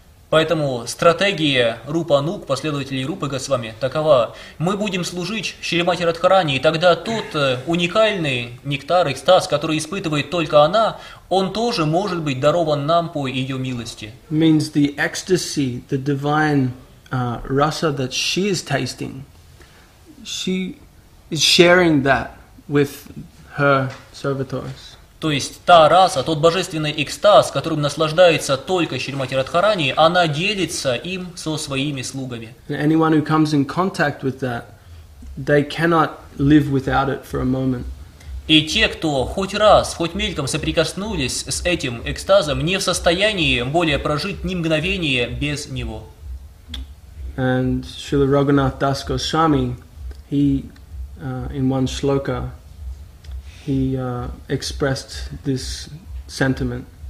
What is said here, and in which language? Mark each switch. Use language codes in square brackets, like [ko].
[ru] Поэтому стратегия Рупануг, последователей Рупы Госвами, такова. Мы будем служить Шримати Радхарани, и тогда тот уникальный нектар, экстаз, который испытывает только она, он тоже может быть дарован нам по ее милости. [en] Means the ecstasy, the divine rasa that she is tasting, she is sharing that with her servitors. [ru] То есть та раса, тот божественный экстаз, которым наслаждается только Шримати Радхарани, она делится им со своими слугами. [en] Anyone who comes in contact with that, they cannot live without it for a moment. [ru] И те, кто хоть раз, хоть мельком соприкоснулись с этим экстазом, не в состоянии более прожить ни мгновение без него. [en] And Srila Raghunath Das Goswami, he, in one shloka, he expressed this sentiment.